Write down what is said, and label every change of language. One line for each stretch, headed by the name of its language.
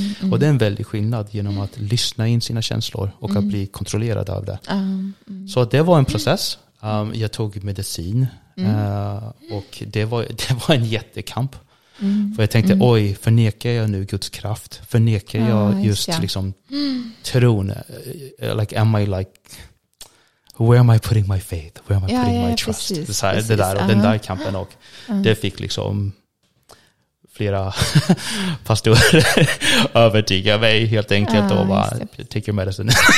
Swedish: Och det är en väldig skillnad genom att lyssna in sina känslor och att bli kontrollerad av det. Så det var en process. Jag tog medicin. Och det var en jättekamp. För jag tänkte, oj, förnekar jag nu Guds kraft? Förnekar jag liksom tron?
English: Like, am I like, where am I putting my faith? Where am I putting my trust?
Swedish: Precis, det här, det där, och den där kampen. Och det fick liksom flera pastorer övertyga mig helt enkelt. Och bara,
English: take your medicine.